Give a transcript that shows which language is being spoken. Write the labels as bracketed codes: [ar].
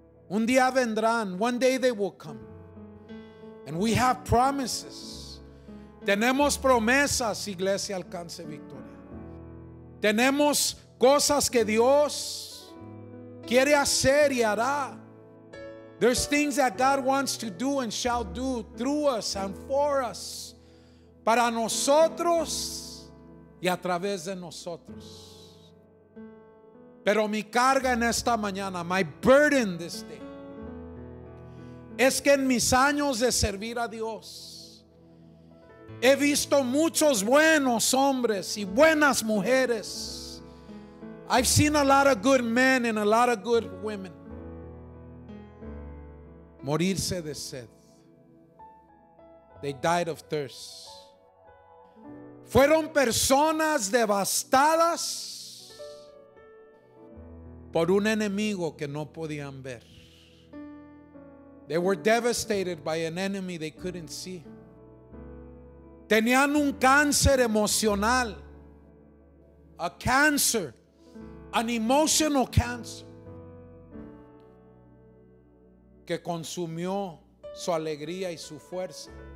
[es] Un día vendrán. [en] One day they will come. And we have promises. [es] Tenemos promesas, [en] Iglesia Alcance Victoria. [es] Tenemos cosas que Dios quiere hacer y hará. [en] There's things that God wants to do and shall do through us and for us. [es] Para nosotros y a través de nosotros. Pero mi carga en esta mañana, [en] my burden this day, [es] es que en mis años de servir a Dios, he visto muchos buenos hombres y buenas mujeres. [en] I've seen a lot of good men and a lot of good women [es] morirse de sed. [en] They died of thirst. [es] Fueron personas devastadas por un enemigo que no podían ver. [en] They were devastated by an enemy they couldn't see. [es] Tenían un cáncer emocional, [en] a cancer, an emotional cancer, [es] que consumió su alegría y su fuerza.